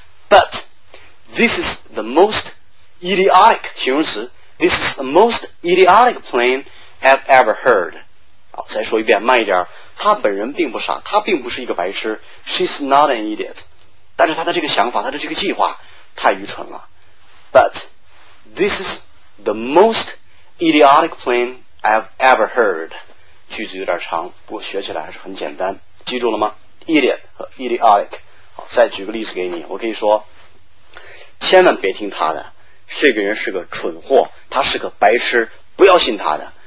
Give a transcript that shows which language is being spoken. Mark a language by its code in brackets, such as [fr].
[en] But this is the most idiotic 形容词 This is the most idiotic plan I've ever heard [zh] 好，再说一遍，慢一点。他本人并不傻，他并不是一个白痴。 [en] She's not an idiot. [zh] 但是他的这个想法，他的这个计划太愚蠢了。 [en] But this is the most idiotic plan I've ever heard. [zh] 句子有点长，不过学起来还是很简单。记住了吗 ？Idiot 和 idiotic。再举个例子给你，我可以说千万别听他的，这个人是个蠢货，他是个白痴，不要信他的。